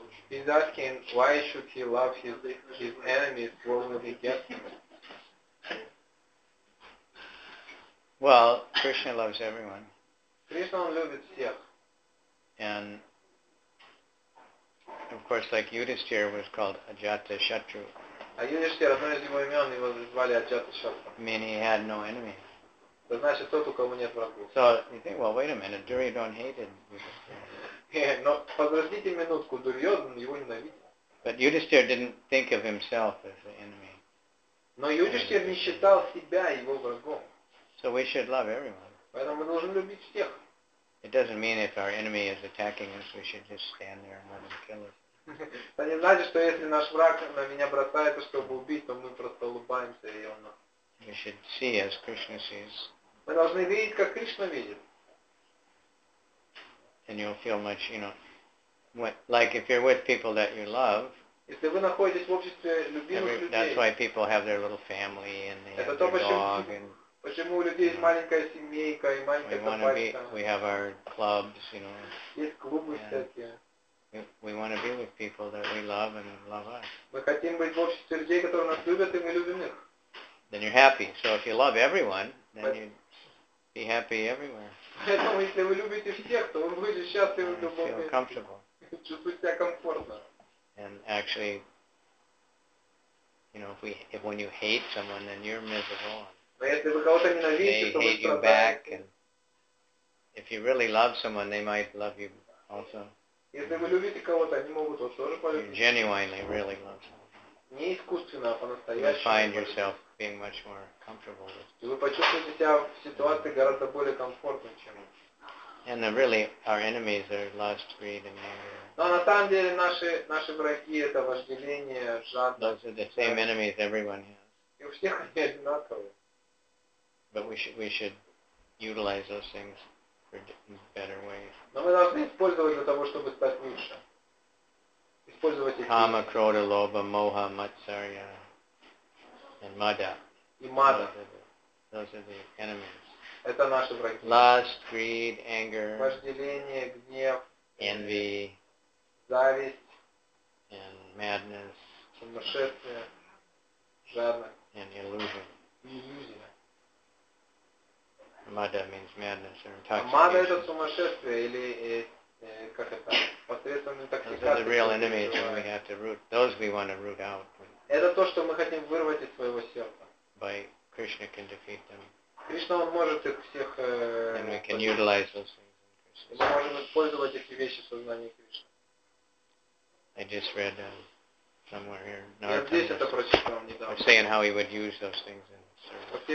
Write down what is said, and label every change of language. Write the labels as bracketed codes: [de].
[en] He's asking, why should he love his enemies? What will he get from it? Well, Krishna loves everyone. Krishna loves [ru] всех. [en] And, of course, like Yudhisthira was called Ajata Shatru. [ru] А Yudhisthira, одно из его имен, его звали Ajata Shatru. [en] Meaning he had no enemy. [ru] Это значит, тот, у кого нет врагов. [en] So, you think, well, wait a minute, Duryodhana hated Yudhisthira. [ru] Но подождите минутку, Дурьёдан его ненавидел. [en] But Yudhisthira didn't think of himself as the enemy. [ru] Но Юдиштир не считал себя его врагом. [en] So we should love everyone. [ru] Поэтому мы должны любить всех. [en] It doesn't mean if our enemy is attacking us, we should just stand there and let him kill us. [ru] Это не значит, что если наш враг на меня бросается, чтобы убить, то мы просто улыбаемся и он. [en] We should see as Krishna sees. [ru] Мы должны видеть, как Кришна видит. [en] And you'll feel much, you know, like if you're with people that you love. [ru] Если вы находитесь в обществе любимых людей. [en] That's why people have their little family and they have their dog. [ru] Почему у людей есть маленькая семейка и маленькая собачка. [en] We have our clubs, you know. [ru] Есть клубы всякие. [en] We want to be with people that we love and love us. [ru] Мы хотим быть в обществе людей, которые нас любят, и мы любим их. [en] Then you're happy. So if you love everyone, then you be happy everywhere. [ru] Поэтому, если вы любите всех, то вы будете счастливы в любом месте. Чувствуете себя комфортно. [en] And actually, you know, if when you hate someone, then you're miserable. [ru] Но если вы кого-то ненавидите, [en] they hate you back. And if you really love someone, they might love you also. [ru] Если вы любите кого-то, они могут вас тоже полюбить. [en] You genuinely really love someone. [ru] Не искусственно, а по-настоящему. [en] You find yourself being much more comfortable with. [ru] И вы почувствуете себя в ситуации гораздо более комфортно, чем. [en] And then really our enemies are lust, greed, and anger. [ru] Но на самом деле наши враги — это вожделение, жадность. [en] Those are the same enemies everyone has. [ru] И у всех они одинаковые. [en] But we should utilize those things for better ways. [ru] Но мы должны использовать для того, чтобы стать лучше. Использовать эти. [sa] Kama, krodha, lobha, moha, matsarya. And mada. Mada. [en] Those are the enemies. [ru] Это наши враги. [en] Lust, greed, anger. [ru] Вожделение, гнев. [en] Envy. [ru] Зависть. [en] And madness. [ru] Сумасшествие. Жадность. [en] And illusion. [ru] Иллюзия. [en] Mada means madness or intoxication. [ru] Мада — это сумасшествие или как это? Посредством интоксикации. [en] Those are the real enemies that we have to root. Those we want to root out. [ru] Это то, что мы хотим вырвать из своего сердца. [en] By Krishna can defeat them. [ru] Кришна может их всех. [en] And we can utilize those things. [ru] Мы можем использовать эти вещи в сознании Кришны. [en] I just read somewhere here. [ru] Я здесь это прочитал недавно. [en] I'm saying how he would use those things in service.